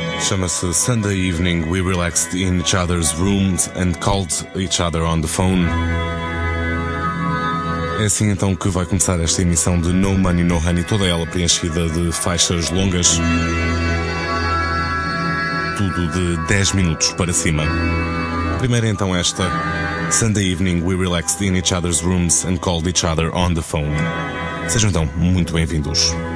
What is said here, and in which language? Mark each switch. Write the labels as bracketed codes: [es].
[pt] Chama-se Sunday Evening, We Relaxed in Each Other's Rooms and Called Each Other on the Phone. É assim então que vai começar esta emissão de No Money, No Honey, toda ela preenchida de faixas longas. Tudo de 10 minutos para cima. Primeiro então esta... [en] Sunday evening, we relaxed in each other's rooms and called each other on the phone. [pt] Sejam então muito bem-vindos.